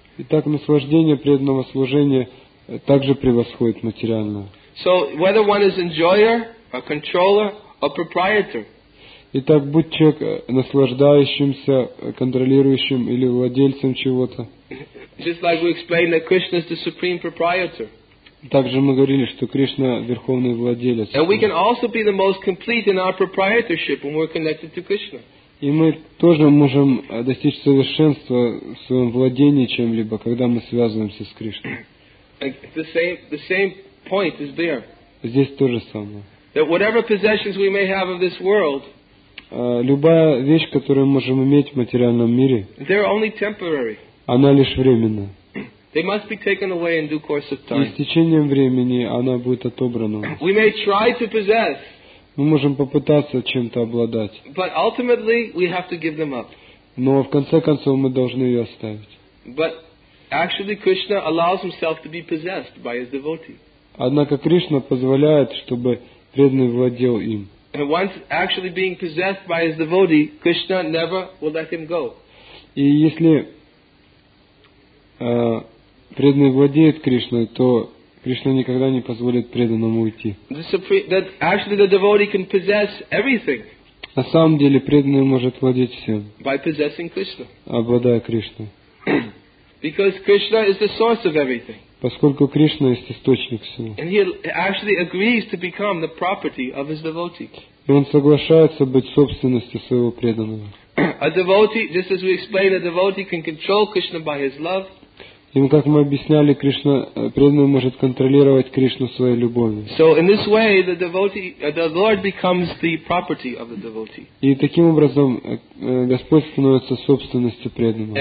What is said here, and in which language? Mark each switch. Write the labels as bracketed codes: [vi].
[ru] Итак, наслаждение преданного служения также превосходит материальное. [en] So whether one is enjoyer, a controller, or proprietor. [ru] Итак, будь человек наслаждающимся, контролирующим или владельцем чего-то. [en] Just like we explained that Krishna is the supreme proprietor. [ru] Также мы говорили, что Кришна верховный владелец. [en] And we can also be the most complete in our proprietorship when we're connected to Krishna. [ru] И мы тоже можем достичь совершенства в своем владении чем-либо, когда мы связываемся с Кришной. [en] The same point is there. [ru] Здесь то же самое. [en] That whatever possessions we may have of this world, [ru] любая вещь, которую мы можем иметь в материальном мире, [en] they're only temporary. [ru] Она лишь временна. [en] They must be taken away in due course of time. [ru] И с течением времени она будет отобрана. [en] We may try to possess. [ru] Мы можем попытаться чем-то обладать. [en] But ultimately we have to give them up. [ru] Но в конце концов мы должны ее оставить. [en] But actually Krishna allows himself to be possessed by his devotee. [ru] Однако Кришна позволяет, чтобы преданный владел им. [en] And once actually being possessed by his devotee, Krishna never will let him go. [ru] И если преданный владеет Кришной, то Кришна никогда не позволит преданному уйти. [en] Actually, the devotee can possess everything. [ru] На самом деле преданный может владеть всем. [en] By possessing Krishna. [ru] Обладая Кришной. [en] Because Krishna is the source of everything. [ru] Поскольку Кришна есть источник всего. [en] And he actually agrees to become the property of his devotee. [ru] И он соглашается быть собственностью своего преданного. [en] A devotee, just as we explained, a devotee can control Krishna by his love. [ru] И как мы объясняли, Кришна, преданный может контролировать Кришну своей любовью. И таким образом Господь становится собственностью преданного.